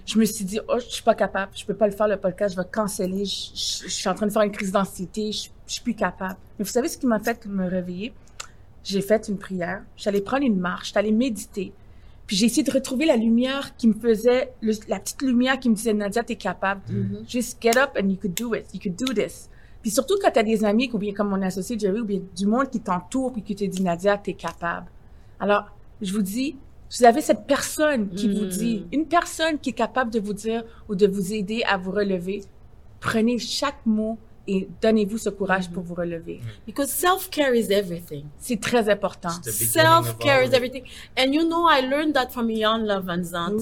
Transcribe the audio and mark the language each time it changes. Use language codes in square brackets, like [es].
[fr] Je me suis dit, oh, je ne suis pas capable. Je ne peux pas le faire, le podcast. Je vais canceller. Je suis en train de faire une crise d'anxiété. Je ne suis plus capable. Mais vous savez ce qui m'a fait me réveiller? J'ai fait une prière. J'allais prendre une marche. J'allais méditer. Puis j'ai essayé de retrouver la lumière qui me faisait, la petite lumière qui me disait, Nadia, t'es capable. Mm-hmm. [en] Just get up and you could do it. You could do this. [fr] Puis surtout quand t'as des amis, ou bien comme mon associé Jerry, ou bien du monde qui t'entoure, puis qui te dit, Nadia, t'es capable. Alors, je vous dis, vous avez cette personne qui vous dit, une personne qui est capable de vous dire ou de vous aider à vous relever, prenez chaque mot et donnez-vous ce courage pour vous relever. [en] Because self-care is everything. [fr] C'est très important. [en] Self-care is everything. And you know, I learned that from Yann Lavanzant.